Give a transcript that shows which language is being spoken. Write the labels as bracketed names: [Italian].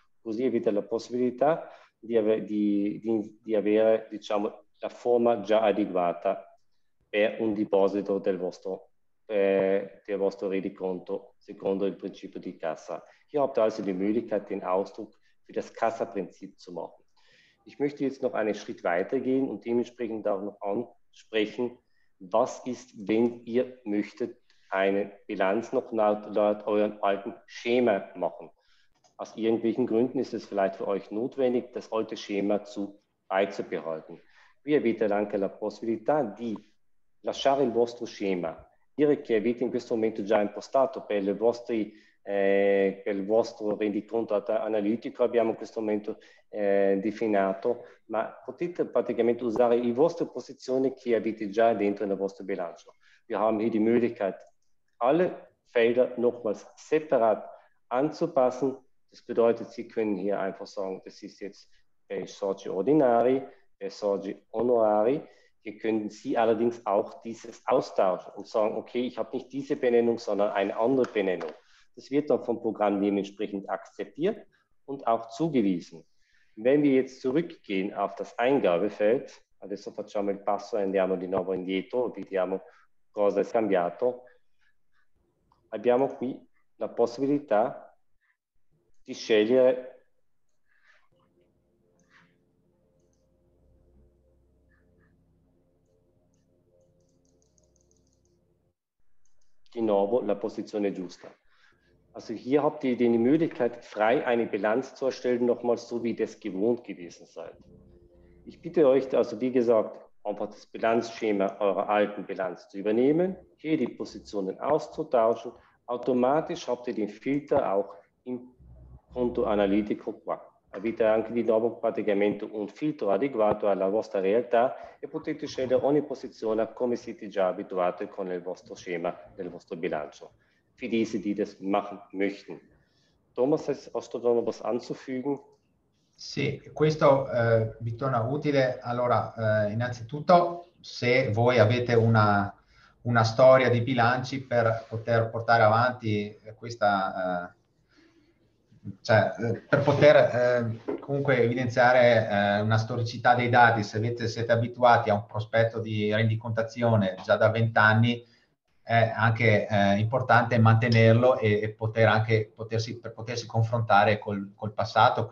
[Italian] Così avete la possibilità di avere, diciamo, la forma già adeguata per un deposito del vostro rendiconto secondo il principio di cassa. [German] Hier habt ihr also die Möglichkeit, den Ausdruck für das Kassaprinzip zu machen. Ich möchte jetzt noch einen Schritt weitergehen und dementsprechend auch noch ansprechen, was ist, wenn ihr möchtet, eine Bilanz noch laut eurem alten Schema machen? Aus irgendwelchen Gründen ist es vielleicht für euch notwendig, das alte Schema beizubehalten. [Italian] Vi avete anche la possibilità di lasciare il vostro schema, dire che avete in questo momento già impostato per le vostre, per il vostro rendiconto analitico, abbiamo in questo momento definito, ma potete praticamente usare le vostre posizioni che avete già dentro nel vostro bilancio. [German] Wir haben hier die Möglichkeit, alle Felder nochmals separat anzupassen. Das bedeutet, Sie können hier einfach sagen, das ist jetzt [Italian] per i soci ordinari, per i soci onorari. [German] Hier können Sie allerdings auch dieses austauschen und sagen, okay, ich habe nicht diese Benennung, sondern eine andere Benennung. Das wird dann vom Programm dementsprechend akzeptiert und auch zugewiesen. Wenn wir jetzt zurückgehen auf das Eingabefeld, [Italian] adesso facciamo il passo, andiamo di nuovo indietro, vediamo cosa è cambiato. Abbiamo qui la possibilità di scegliere di nuovo la posizione giusta. [German] Also hier habt ihr die Möglichkeit, frei eine Bilanz zu erstellen, nochmals so, wie ihr das gewohnt gewesen seid. Ich bitte euch, also wie gesagt, einfach das Bilanzschema eurer alten Bilanz zu übernehmen, hier die Positionen auszutauschen. Automatisch habt ihr den Filter auch im Conto Analitico qua. [Italian] Avete anche di nuovo praticamente un filtro adeguato alla vostra realtà e potete scegliere ogni posizione come siete già abituati con il vostro schema del vostro bilancio. [German] Für diese, die das machen möchten. Thomas, hast du da noch was anzufügen? [Italian] Sì, questo mi torna utile. Allora, innanzitutto, se voi avete una storia di bilanci per poter portare avanti questa, cioè per poter comunque evidenziare una storicità dei dati, se siete abituati a un prospetto di rendicontazione già da 20 anni, è anche importante mantenerlo e poter anche potersi confrontare col passato.